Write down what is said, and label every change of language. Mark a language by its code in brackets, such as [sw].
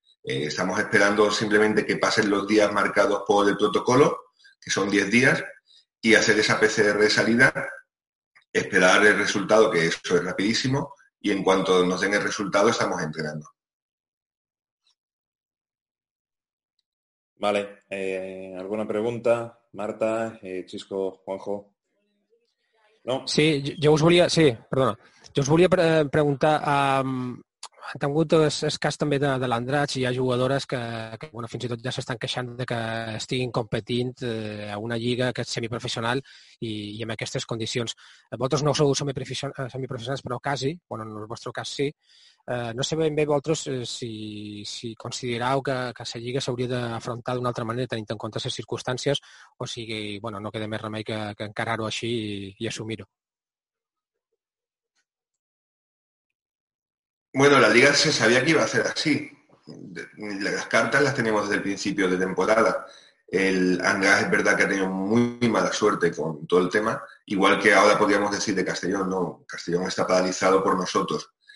[es] Estamos esperando simplemente que pasen los días marcados por el protocolo, que son 10 días, y hacer esa PCR de salida, esperar el resultado, que eso es rapidísimo, y en cuanto nos den el resultado estamos entrenando. Vale, ¿alguna pregunta? Marta, Chisco, Juanjo. ¿No? Sí, yo os volía, sí, perdona. Yo os volía preguntar a... [ca] Han tingut el cas també de l'Andratx i hi ha jugadores que bueno, fins i tot ja s'estan queixant de que estiguin competint a una lliga que és semiprofessional i amb aquestes condicions. Vosaltres no sou semiprofessionals, però quasi, bueno, en el vostre cas sí. No sé ben bé vosaltres si considerau que la lliga s'hauria d'afrontar d'una altra manera tenint en compte les circumstàncies o sigui, bueno, no queda més remei que encarar-ho així i assumir-ho. [es] Bueno, la liga se sabía que iba a ser así. Las cartas las teníamos desde el principio de temporada. El Andrés es verdad que ha tenido muy mala suerte con todo el tema, igual que ahora podríamos decir de Castellón, no, Castellón está paralizado por nosotros.